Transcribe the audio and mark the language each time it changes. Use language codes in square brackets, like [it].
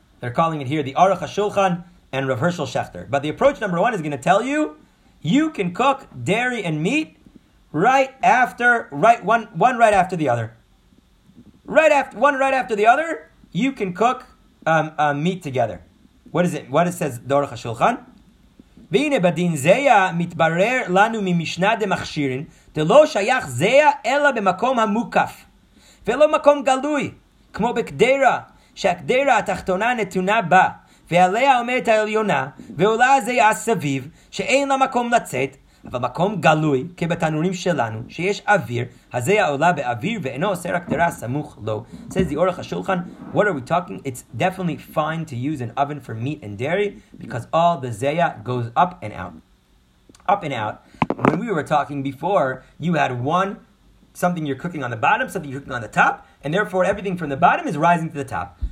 [en] They're calling it here the Aruch HaShulchan and Rav Herschel Schechter. But the approach number one is going to tell you, you can cook dairy and meat right after the other, you can cook meat together. What is it? What it says, Aruch HaShulchan? [he] והנה בדין זיה מתברר לנו ממשנה דמכשירין, דלא שייך זיה אלא במקום המוקף, ולא מקום גלוי, כמו בקדרה, שהקדרה התחתונה נתונה בה, ועליה עומדת העליונה, ועולה הזיה סביב, שאין לה מקום לצאת, אבל מקום גלוי, כבתנורים שלנו, שיש אוויר, הזיה עולה באוויר, ואינו אוסר הקדרה סמוך לו. [en] Says the Aruch HaShulchan, what are we talking? It's definitely fine to use an oven for meat and dairy, because all the zeya goes up and out. Up and out. When we were talking before, you had one, something you're cooking on the bottom, something you're cooking on the top, and therefore everything from the bottom is rising to the top.